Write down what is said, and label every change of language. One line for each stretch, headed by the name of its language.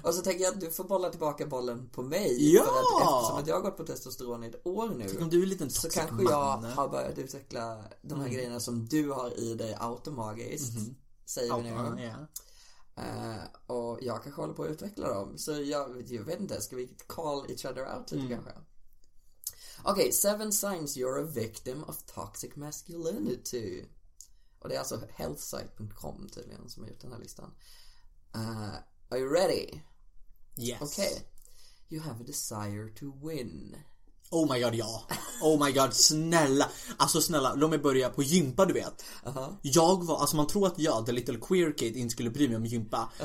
Swedish: Och så tänker jag att du får bolla tillbaka bollen på mig. Ja! För att eftersom att jag har gått på testosteron i ett år nu, om du är lite toxic, så kanske jag har börjat utveckla de här grejerna som du har i dig automagiskt. Säger vi nu. Och jag kanske håller på att utveckla dem. Så jag vet inte, ska vi
English: call each other out
Swedish: lite kanske.
English: Okej, 7 signs you're a victim of toxic masculinity.
Swedish: Och det är alltså healthsite.com tydligen som har gjort den här listan.
English: Are you ready? Yes. Okay. You have a desire to win. Oh my god, ja. Oh my god, snälla.
Swedish: Alltså snälla, låt mig börja på gympa, du vet. Jag var, alltså man tror att jag,
English: the little queer kid,
Swedish: inte skulle bry mig om gympa.